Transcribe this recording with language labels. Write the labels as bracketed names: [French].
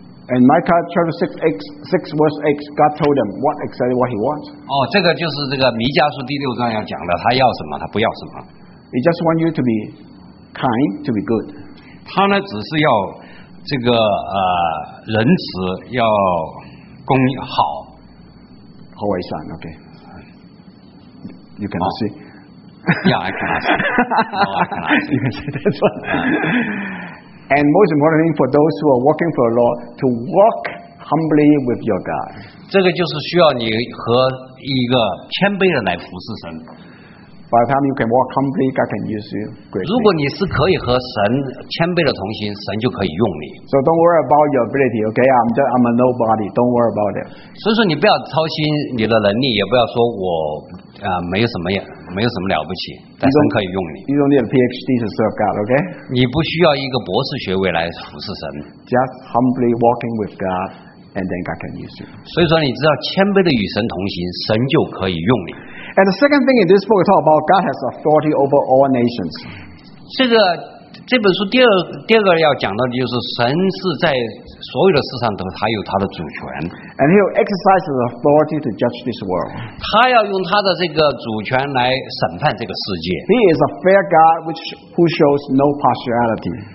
[English] And Micah chapter 6 verse 8, God told them what exactly what he wants. [Chinese] 这个就是这个弥迦书第六章要讲的，他要什么，他不要什么。 [English] He just want you to be kind, to be good. [Chinese] 他呢只是要这个仁慈，要公好。 [English] How is that? Okay. You cannot see. Yeah, I cannot see. Oh, I cannot see. You can see this one. And most important thing for those who are walking for the Lord, to walk humbly with your God. [Chinese] 这个就是需要你和一个谦卑人来服侍神。 [English] By the time you can walk humbly, God can use you greatly. [Chinese] 如果你是可以和神谦卑的同行，神就可以用你。 [English] So don't worry about your ability, okay? I'm a nobody. Don't worry about it. [Chinese] 所以说你不要操心你的能力，也不要说我没有什么了不起，但神可以用你。 [English] You don't need a PhD to serve God, okay? [Chinese] 你不需要一个博士学位来服侍神。 [English] Just humbly walking with God, and then God can use you. [Chinese] 所以说你知道谦卑的与神同行，神就可以用你。 [English] And the second thing in this book is talk about God has authority over all nations. [Chinese] 这个这本书第二个要讲到的就是神是在所有的事上都他有他的主权。 [English] And he'll exercise his authority to judge this world. [Chinese] 他要用他的这个主权来审判这个世界。 [English] He is a fair God who shows no partiality.